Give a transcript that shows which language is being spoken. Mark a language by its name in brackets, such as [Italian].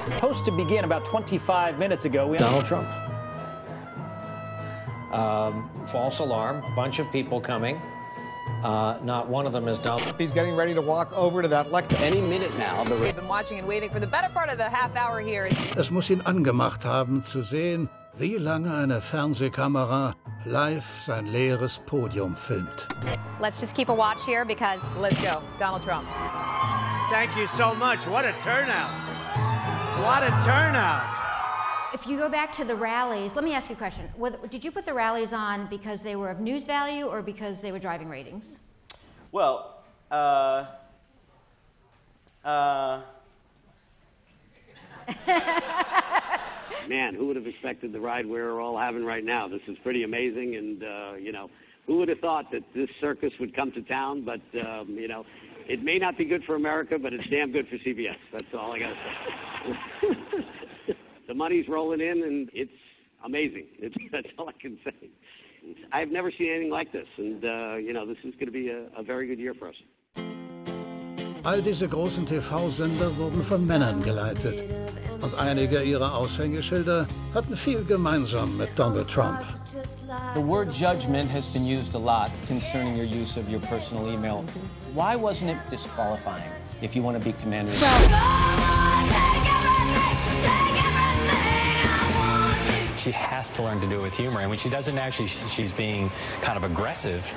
[English] Supposed to begin about 25 minutes ago. Donald Trump. False alarm, a bunch of people coming. Not one of them is dumb. He's getting ready to walk over to that lectern. Any minute now. We've been watching and waiting for the better part of the half hour here. [German] Es muss ihn angemacht haben zu sehen, wie lange eine Fernsehkamera live sein leeres Podium filmt. [English] Let's just keep a watch here because let's go. Donald Trump. Thank you so much. What a turnout. What a turnout. If you go back to the rallies, let me ask you a question. Did you put the rallies on because they were of news value or because they were driving ratings? Well, man, who would have expected the ride we're all having right now? This is pretty amazing, and, you know, who would have thought that this circus would come to town? But, you know, it may not be good for America, but it's damn good for CBS. That's all I got to say. The money's rolling in, and it's amazing. That's all I can say. I've never seen anything like this, and, you know, this is going to be a very good year for us. [German] All diese großen TV-Sender wurden von Männern geleitet. Und einige ihrer Aushängeschilder hatten viel gemeinsam mit Donald Trump. [English] The word judgment has been used a lot concerning your use of your personal email. Why wasn't it disqualifying if you want to be commander? Well, she has to learn to do it with humor. And when she does it now, she's being kind of aggressive.